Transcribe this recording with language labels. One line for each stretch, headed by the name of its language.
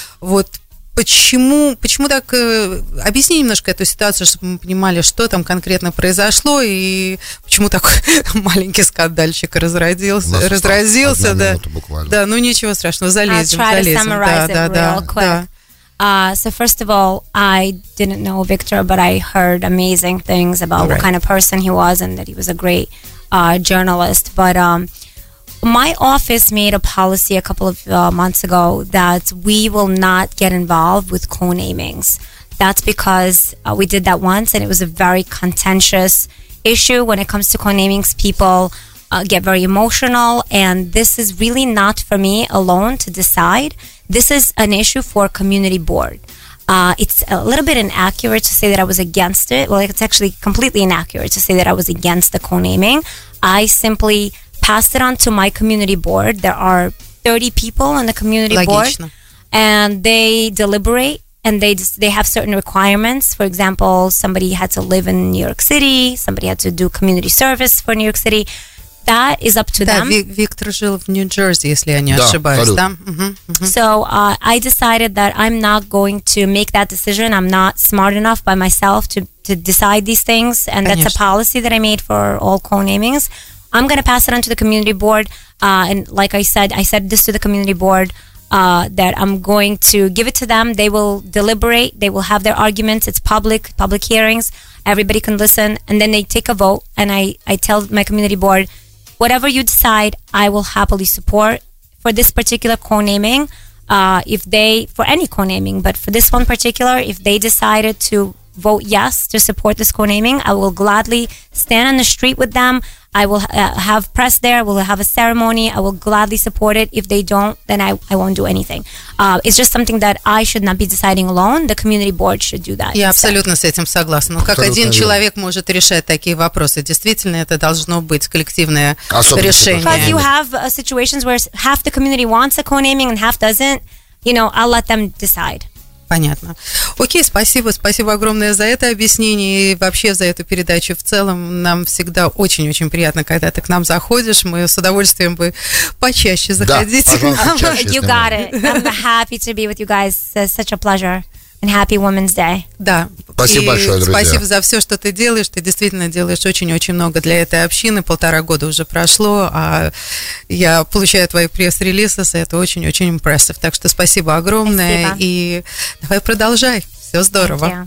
Russian: Вот почему так... Объясни немножко эту ситуацию, чтобы мы понимали, что там конкретно произошло и почему такой маленький скандальчик разразился. Одна минута буквально. Да, ну ничего страшного, залезем.
English: So first of all, I didn't know Victor, but I heard amazing things about what kind of person he was and that he was a great journalist. But my office made a policy a couple of months ago that we will not get involved with co-namings. That's because we did that once and it was a very contentious issue. When it comes to co-namings, people get very emotional, and this is really not for me alone to decide. This is an issue for community board. It's a little bit inaccurate to say that I was against it. Well, it's actually completely inaccurate to say that I was against the co-naming. I simply passed it on to my community board. There are 30 people on the community board. And they deliberate, and they have certain requirements. For example, somebody had to live in New York City. Somebody had to do community service for New York City. That is up to them.
Russian: Виктор жил в Нью-Джерси, если я не ошибаюсь, да?
English: So I decided that I'm not going to make that decision. I'm not smart enough by myself to decide these things. And
Russian: Конечно.
English: That's a policy that I made for all co-namings. I'm going to pass it on to the community board. And like I said this to the community board. that I'm going to give it to them. They will deliberate. They will have their arguments. It's public, public hearings. Everybody can listen. And then they take a vote. And I tell my community board, whatever you decide, I will happily support for this particular co-naming. If they, for any co-naming, but for this one particular, if they decided to vote yes to support this co-naming, I will gladly stand on the street with them. I will have press there. We'll have a ceremony. I will gladly support it. If they don't, then I won't do anything. It's just something that I should not be deciding alone. The community board should do that.
Russian: Я абсолютно с этим согласна. Как один человек может решать такие вопросы? Действительно, это должно быть коллективное решение.
English: Because you have situations where half the community wants a co-naming and half doesn't, you know, I'll let them decide.
Russian: Понятно. Окей, спасибо. Спасибо огромное за это объяснение и вообще за эту передачу в целом. Нам всегда очень-очень приятно, когда ты к нам заходишь. Мы с удовольствием бы почаще заходить. Да, пожалуйста,
English: you got it. I'm happy to be with you guys. Such a pleasure. And happy Women's Day.
Russian: Да. Спасибо большое, друзья. Спасибо за все, что ты делаешь. Ты действительно делаешь очень-очень много для этой общины. Полтора года уже прошло, а я получаю твои пресс-релизы, это очень-очень impressive. Так что спасибо огромное. Спасибо. И давай продолжай. Все здорово.